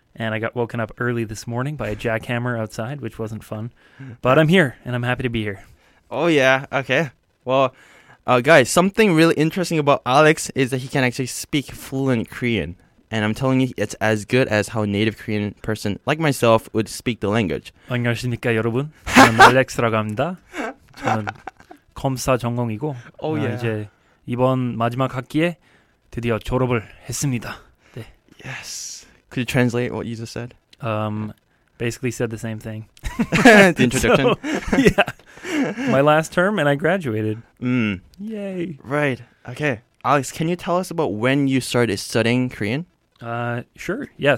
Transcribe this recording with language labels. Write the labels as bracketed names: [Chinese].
[English] And I got woken up early this morning by a jackhammer outside, which wasn't fun. But I'm here, and I'm happy to be here. Oh, yeah. Okay. Well, guys, something really interesting about Alex is that he can actually speak fluent Korean. And I'm telling you, it's as good as how a native Korean person like myself would speak the language. [Korean] 안녕하십니까, 여러분. 저는 알렉스라고 합니다. 저는 검사 전공이고, 이제 이번 마지막 학기에 드디어 졸업을 했습니다. 네. [English] Yes. Could you translate what you just said? Basically said the same thing. The introduction? So, yeah. My last term and I graduated. Mm. Yay. Right. Okay. Alex, can you tell us about when you started studying Korean? Sure. Yeah.